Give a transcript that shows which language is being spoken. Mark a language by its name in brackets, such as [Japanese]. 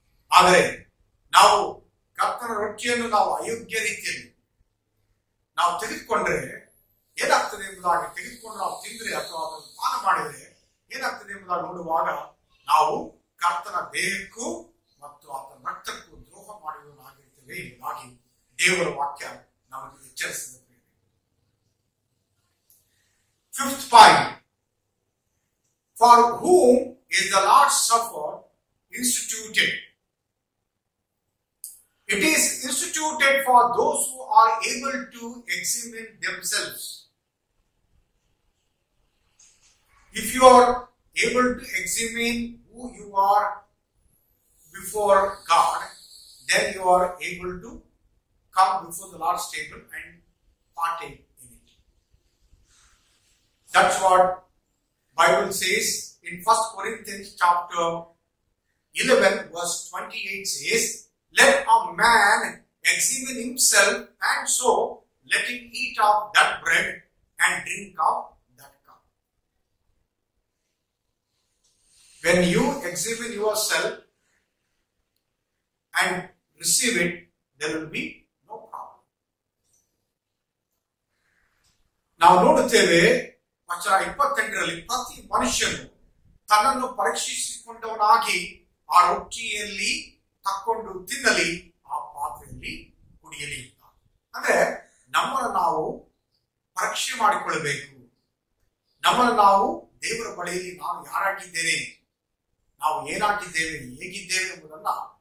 [Kannada] ಆದರೆ ನಾವು ಕರ್ತನ ರೊಟ್ಟಿಯನ್ನು ನಾವು ಅಯೋಗ್ಯ ರೀತಿಯಲ್ಲಿ ನಾವು ತೆಗೆದುಕೊಂಡ್ರೆ ಏನಾಗ್ತದೆ ಎಂಬುದಾಗಿ ತೆಗೆದುಕೊಂಡು ನಾವು ತಿಂದರೆ ಅಥವಾ ಅದನ್ನು ಪಾನ ಮಾಡಿದರೆ ಏನಾಗ್ತದೆ ಎಂಬುದಾಗಿ ನೋಡುವಾಗ ನಾವು ಕರ್ತನ ದೇಹಕ್ಕೂ ಮತ್ತು ಆತನ ರಕ್ತಕ್ಕೂ ದ್ರೋಹ ಮಾಡಿರುವಾಗಿರ್ತೇವೆ ಎಂಬುದಾಗಿ ದೇವರ ವಾಕ್ಯ ನಮಗೆ ಎಚ್ಚರಿಸುತ್ತದೆ. [English] Fifth point, for whom is the Lord supper instituted? It is instituted for those who are able to examine themselves. If you are able to examine who you are before God, then you are able to come before the Lord's table and partake in it. That's what the Bible says in 1 Corinthians chapter 11 verse 28 says, let a man examine himself, and so let him eat of that bread and drink of that cup. When you examine yourself and receive it, there will be no problem. Now, [Kannada] ನೋಡುತ್ತೇವೆ ವಚನ 28ರಲ್ಲಿ ಪ್ರತಿ ಮನುಷ್ಯನು ತನ್ನನ್ನು ಪರೀಕ್ಷಿಸಿಕೊಂಡವನಾಗಿ ಆ ರೊಟ್ಟಿಯಲ್ಲಿ ಹಾಕೊಂಡು ತಿನ್ನಲಿ ಆ ಪಾತ್ರೆಯಲ್ಲಿ ಕುಡಿಯಲಿ. ಅಂದ್ರೆ ನಮ್ಮನ್ನು ನಾವು ಪರೀಕ್ಷೆ ಮಾಡಿಕೊಳ್ಳಬೇಕು, ನಮ್ಮನ್ನು ನಾವು ದೇವರ ಬಳಿಯಲ್ಲಿ ನಾವು ಯಾರಾಗಿದ್ದೇನೆ, ನಾವು ಏನಾಗಿದ್ದೇವೆ, ಹೇಗಿದ್ದೇವೆ ಎಂಬುದನ್ನು